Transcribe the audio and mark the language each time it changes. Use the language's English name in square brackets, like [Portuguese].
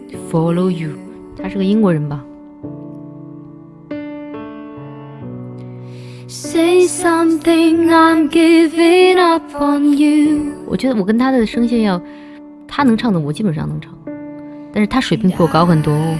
[English] Follow you， [Chinese] 他是个英国人吧 [English] ？Say something, I'm giving up on you。 [Chinese] 我觉得我跟他的声线要，他能唱的我基本上能唱，但是他水平比我高很多。